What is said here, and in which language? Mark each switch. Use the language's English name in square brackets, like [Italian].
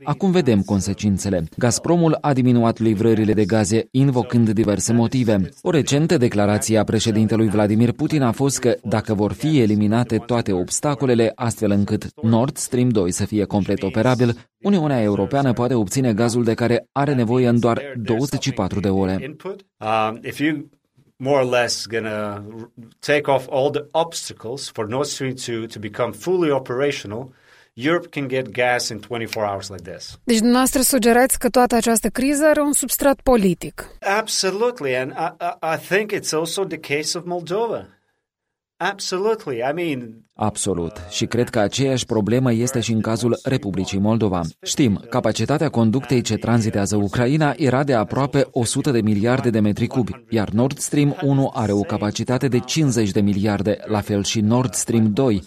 [Romanian] Acum vedem consecințele. Gazpromul a diminuat livrările de gaze, invocând diverse motive. O recentă declarație a președintelui Vladimir Putin a fost că, dacă vor fi eliminate toate obstacolele, astfel încât Nord Stream 2 să fie complet operabil, Uniunea Europeană poate obține gazul de care are nevoie în doar 24 de ore. [English] More or less gonna take off all the obstacles for Nord Stream 2 to become fully operational, Europe can get gas in 24 hours like this. [Romanian] Deci dumneavoastră sugerați că toată această criză are un substrat politic. [English] Absolutely, and I think it's also the case of Moldova. Absolutely. I mean, [Romanian] absolut. Și cred că aceeași problemă este și în cazul Republicii Moldova. Știm, capacitatea conductei ce tranzitează Ucraina era de aproape 100 de miliarde de metri cubi, iar Nord Stream 1 are o capacitate de 50 de miliarde, la fel și Nord Stream 2.